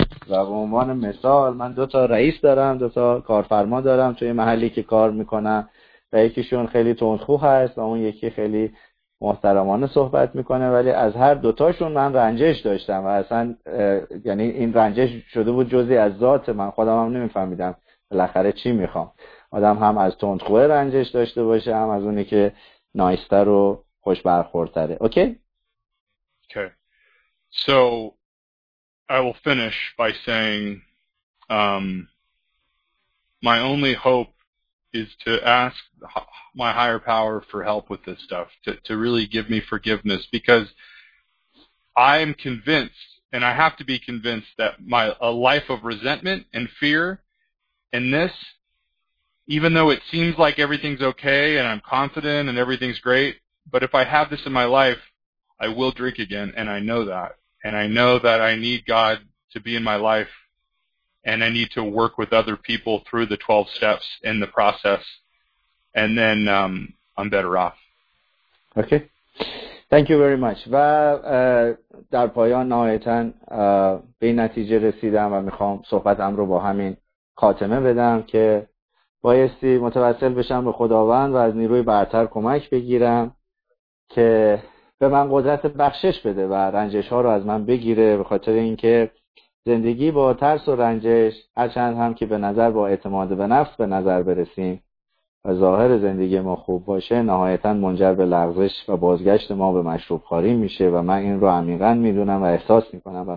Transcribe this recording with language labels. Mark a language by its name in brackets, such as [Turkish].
[Persian] و به عنوان مثال من دوتا رئیس دارم، دوتا کارفرما دارم توی محلی که کار میکنم و یکیشون خیلی تندخو هست و اون یکی خیلی محترمانه صحبت میکنه، ولی از هر دوتاشون من رنجش داشتم و اصلا یعنی این رنجش شده بود جزی از ذات من، خودم هم نمیفهمیدم بالاخره چی میخوام. آدم هم از تندخوه رنجش داشته باشه هم از اونی که نایستر و خوش برخورتره. [English] Okay? Okay. So I will finish by saying my only hope is to ask my higher power for help with this stuff, to really give me forgiveness, because I am convinced, and I have to be convinced, that a life of resentment and fear and this, even though it seems like everything's okay and I'm confident and everything's great, but if I have this in my life, I will drink again, and I know that. And I know that I need God to be in my life, and I need to work with other people through the 12 steps in the process, and then I'm better off. Okay. Thank you very much. [Persian] و در پایان نهایتاً به نتیجه رسیدم و میخوام صحبتم رو با همین خاتمه بدم که بایستی متوسل بشم به خداوند و از نیروی برتر کمک بگیرم که به من قدرت بخشش بده و رنجش ها رو از من بگیره، به خاطر اینکه زندگی با ترس و رنجش، هرچند هم که به نظر با اعتماد به نفس به نظر برسیم و ظاهر زندگی ما خوب باشه، نهایتاً منجر به لغزش و بازگشت ما به مشروب خواری میشه و من این رو عمیقاً میدونم و احساس میکنم.